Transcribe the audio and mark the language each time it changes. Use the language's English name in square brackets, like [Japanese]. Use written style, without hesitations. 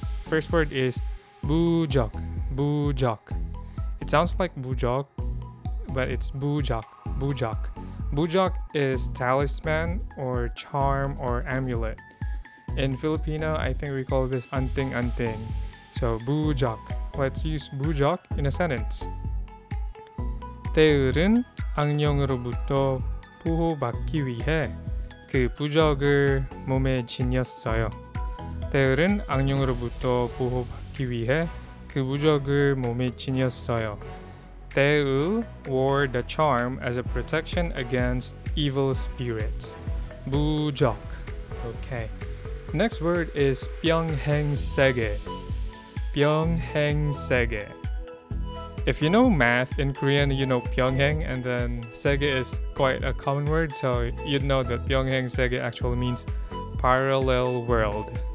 [English] First word is 부적, 부적. It sounds like 부적, but it's 부적, 부적. 부적 is talisman or charm or amulet. In Filipino, I think we call this anting anting. So 부적. Let's use 부적 in a sentence. [Korean] 태을은 악령으로부터 보호받기 위해 그 부적을 몸에 지녔어요. 태을은 악령으로부터 보호받기 위해 그 부적을 몸에 지녔어요. [English] 태을 wore the charm as a protection against evil spirits. 부적. Okay. Next word is 병행세계. [Korean] 병행세계. [English] If you know math in Korean, you know 병행, and then 세계 is quite a common word, so you'd know that 병행세계 actually means parallel world.